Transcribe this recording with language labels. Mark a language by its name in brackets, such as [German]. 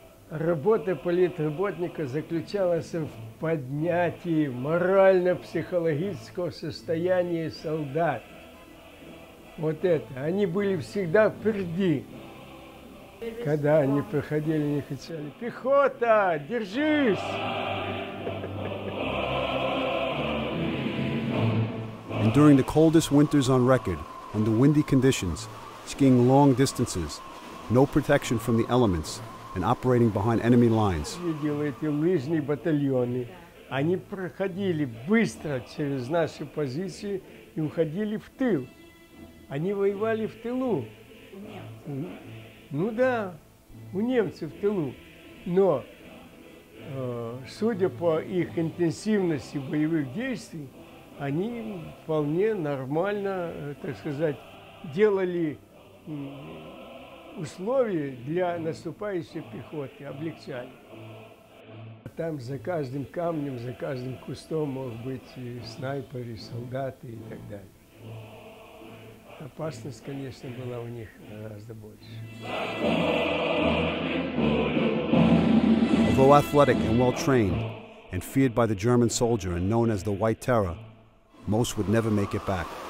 [Ukrainian] Робота політработника заключалася в піднятті морально-психологічного состояния солдат. [Russian] Вот это. Они были всегда впереди, когда они приходили, не хотели. Пехота, держись! [English] And during the coldest winters on record, under windy conditions, skiing long distances, no protection from the elements, and operating behind enemy lines. [Russian] Видел эти лыжные батальоны. Они проходили быстро через наши позиции и уходили в тыл. Они воевали в тылу. Ну да, у немцев в тылу. Но, судя по их интенсивности боевых действий, они вполне нормально, так сказать, делали условия для наступающей пехоты, облегчали. Там за каждым камнем, за каждым кустом мог быть и снайперы, и солдаты и так далее. Опасность, конечно, была у них гораздо больше. [English] Although athletic and well-trained, and feared by the German soldier and known as the White Terror, most would never make it back.